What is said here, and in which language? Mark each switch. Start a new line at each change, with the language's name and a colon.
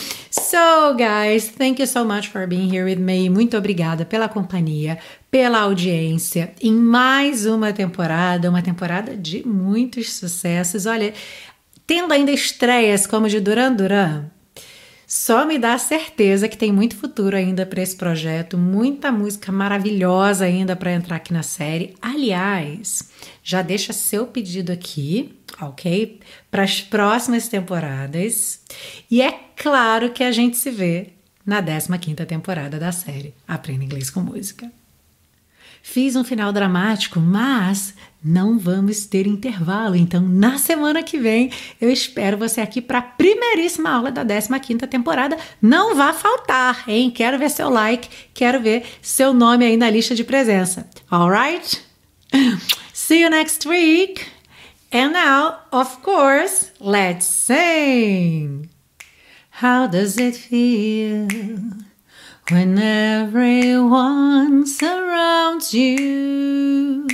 English: So, guys, thank you so much for being here with me.
Portuguese: Muito obrigada pela companhia, pela audiência. Em mais uma temporada de muitos sucessos. Olha, tendo ainda estreias como de Duran Duran, só me dá certeza que tem muito futuro ainda para esse projeto, muita música maravilhosa ainda para entrar aqui na série. Aliás, já deixa seu pedido aqui, ok? Para as próximas temporadas. E é claro que a gente se vê na 15ª temporada da série Aprenda Inglês com Música. Fiz um final dramático, mas não vamos ter intervalo. Então, na semana que vem, eu espero você aqui para a primeiríssima aula da 15ª temporada. Não vá faltar, hein? Quero ver seu like, quero ver seu nome aí na lista de presença.
English: Alright? See you next week. And now, of course, let's sing. How does it feel when everyone surrounds you?